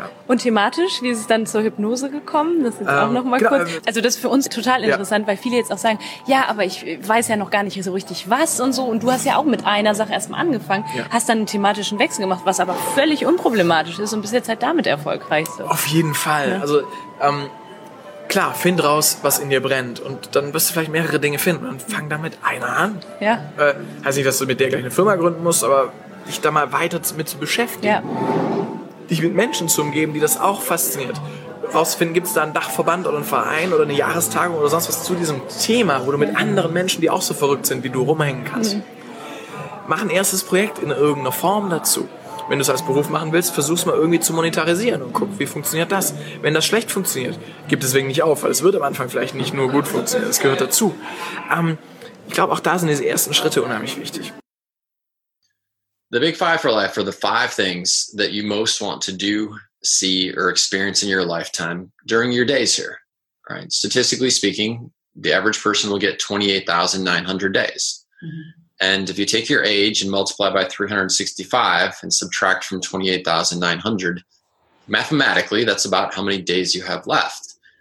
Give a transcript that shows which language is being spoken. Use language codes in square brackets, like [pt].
[de] Und thematisch, wie ist es dann zur Hypnose gekommen? Das ist auch nochmal kurz. Also das ist für uns total interessant, weil viele jetzt auch sagen, ja, aber ich weiß ja noch gar nicht so richtig was und so. Und du hast ja auch mit einer Sache erstmal angefangen, hast dann einen thematischen Wechsel gemacht, was aber völlig unproblematisch ist und bist jetzt halt damit erfolgreich. So. Auf jeden Fall. Ja. Also klar, find raus, was in dir brennt. Und dann wirst du vielleicht mehrere Dinge finden. Und fang damit einer an. Ja. Heißt nicht, dass du mit der gleich eine Firma gründen musst, aber dich da mal weiter mit zu beschäftigen. Ja. Dich mit Menschen zu umgeben, die das auch fasziniert. Rauszufinden, gibt es da einen Dachverband oder einen Verein oder eine Jahrestagung oder sonst was zu diesem Thema, wo du mit anderen Menschen, die auch so verrückt sind, wie du rumhängen kannst. Mach ein erstes Projekt in irgendeiner Form dazu. Wenn du es als Beruf machen willst, versuch es mal irgendwie zu monetarisieren und guck, wie funktioniert das. Wenn das schlecht funktioniert, gib deswegen nicht auf, weil es wird am Anfang vielleicht nicht nur gut funktionieren. Das gehört dazu. Ich glaube, auch da sind diese ersten Schritte unheimlich wichtig. [en] The Big Five for Life are the five things that you most want to do, see, or experience in your lifetime during your days here. Right? Statistically speaking, the average person will get 28,900 days. And if you take your age and multiply by 365 and subtract from 28,900, mathematically, that's about how many days you have left.